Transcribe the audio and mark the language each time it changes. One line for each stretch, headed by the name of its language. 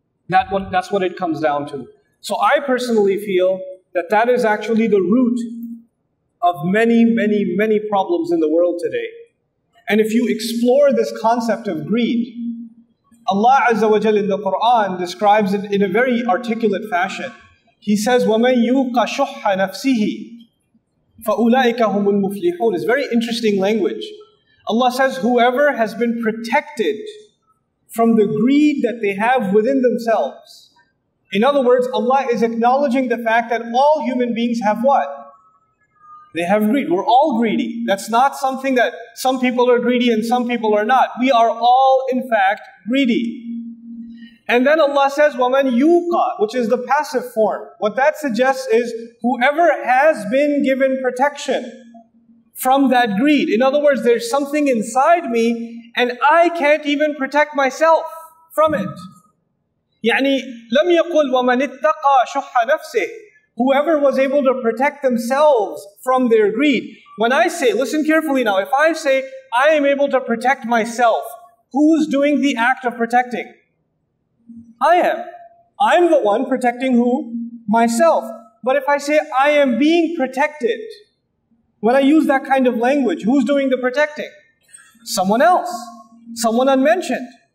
English: That's what it comes down to. So I personally feel that that is actually the root of many, many, many problems in the world today. And if you explore this concept of greed, Allah Azza wa Jalla in the Quran describes it in a very articulate fashion. He says,
Arabic: وَمَن يُوقَ شُحَّ نَفْسِهِ فَأُولَٰئِكَ هُمُ الْمُفْلِحُونَ.
English: It's very interesting language. Allah says, whoever has been protected from the greed that they have within themselves, In other words, Allah is acknowledging the fact that all human beings have what? They have greed. We're all greedy. That's not something that some people are greedy and some people are not. We are all, in fact, greedy. And then Allah says,
Arabic: وَمَنْ يُوقَى,
English: which is the passive form. What that suggests is whoever has been given protection from that greed. In other words, there's something inside me and I can't even protect myself from it.
Arabic: يعني لم يقل ومن اتقى شح نفسه.
English: Whoever was able to protect themselves from their greed. When I say, listen carefully now, if I say, I am able to protect myself, who's doing the act of protecting? I am. I'm the one protecting who? Myself. But if I say, I am being protected, when I use that kind of language, who's doing the protecting? Someone else. Someone unmentioned.